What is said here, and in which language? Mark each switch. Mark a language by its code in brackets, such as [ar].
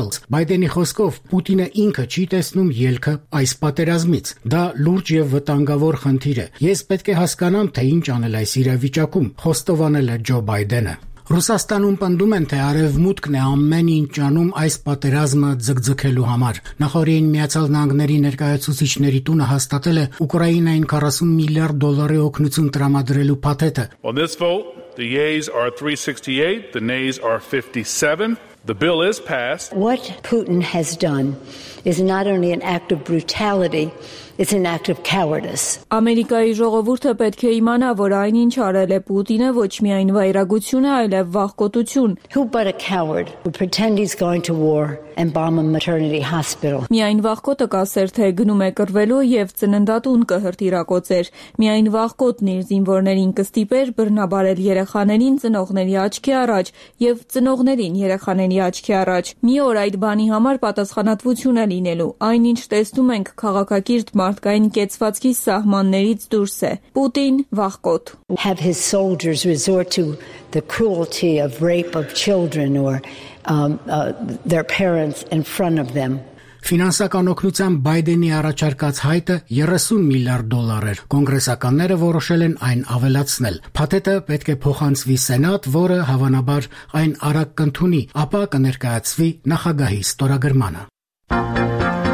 [hy] Reynolds, Biden-ի խոսքով Պուտինը ինքը չի տեսնում ելքը այս պատերազմից։ Դա լուրջ եւ վտանգավոր խնդիր է։ Ես պետք է հասկանամ, թե ինչ անել այս իրավիճակում, խոստովանել է Ջո Բայդենը։ Ռուսաստանում պնդում են, թե արևմուտքն է ամեն ինչ անում այս պատերազմը ձգձգելու համար։ Նախորդին Միացյալ Նահանգների ներկայացուցիչների տունը հաստատել է Ուկրաինային 40 միլիարդ դոլարի օգնություն տրամադրելու փաթեթը։ [en] On this vote, the yeas are 368, the nays are 57. The bill is passed. What Putin has done is not only an act of brutality, it's an act of cowardice. [hy] Ամերիկայի ժողովուրդը պետք է իմանա, որ այն ինչ արել է Պուտինը ոչ միայն վայրագություն է, այլև վախկոտություն. [en] Who but a coward would pretend he's going to war and bomb a maternity hospital? [hy] Միայն վախկոտը կասեր, թե գնում է կռվելու և ծննդատուն կհրթիրակոծեր. Միայն վախկոտն իր զինվորներին կստիպեր բռնաբարել երեխաներին ծնողների աչքի առաջ և ծնողներին երեխաների աչքի առաջ. Մի օր այդ բանի համար պատասխանատվություն է լինելու, այնինչ տեսնում ենք քաղաքակիրթ մարդկային կեցվածքի սահմաններից դուրս է. Պուտին, վախկոտ. [en] Have his soldiers resort to the cruelty of rape of children or their parents in front of them. [hy] Ֆինանսական օգնության Բայդենի առաջարկած հայտը 30 միլիարդ դոլար էր։ Կոնգրեսականները որոշել են այն ավելացնել։ Փաթեթը պետք է փոխանցվի Սենատ, որը հավանաբար այն արագ կընդունի, ապա կներկայացվի նախագահի ստորագրմանը։